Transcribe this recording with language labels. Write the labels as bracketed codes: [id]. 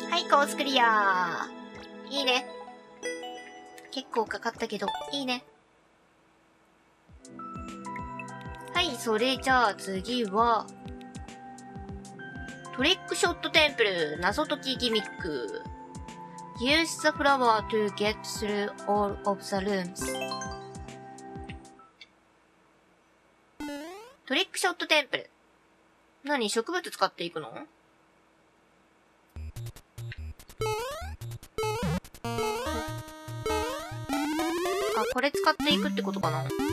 [ja] コースクリアー、いいね、結構かかったけどいいね。それじゃあ次は、トリックショットテンプル、謎解きギミック。 [en] Use the flower to get through all of the rooms。 [ja] トリックショットテンプル。何、植物使っていくの？あ、これ使っていくってことかな。